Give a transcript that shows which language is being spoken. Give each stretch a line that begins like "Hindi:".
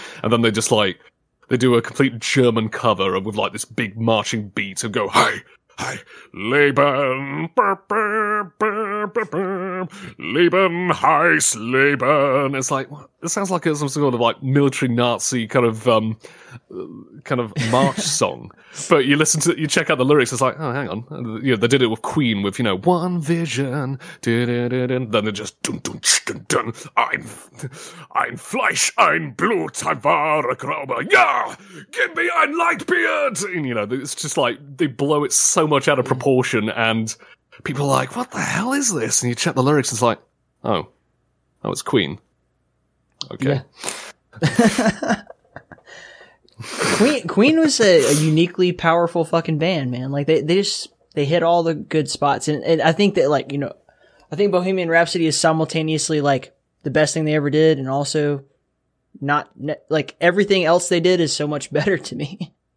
English: And then they just like, they do a complete German cover with like this big marching beat and go, hey, hey, Leben, burr, burr, burr, burr, burr, Leben, Heiss, Leben. It's like, it sounds like some sort of like military Nazi kind of march song. But you listen to, you check out the lyrics, it's like, oh, hang on. You know, they did it with Queen with, you know, One Vision. Dun-dun-dun-dun. Then they just, dun-dun-dun-dun.
German: Ein Fleisch, ein Blut, ein wahre Glaube.
English: Yeah! Give me ein Lightbeard! And, you know, it's just like, they blow it so much out of proportion, and people are like, what the hell is this? And you check the lyrics, and it's like, oh, it's Queen. Okay. Yeah. Queen was a uniquely powerful fucking band, man. Like they hit all the good spots, and I think that, like, you know, I think Bohemian Rhapsody is simultaneously like the best thing they ever did, and also not like everything else they did is so much better to me.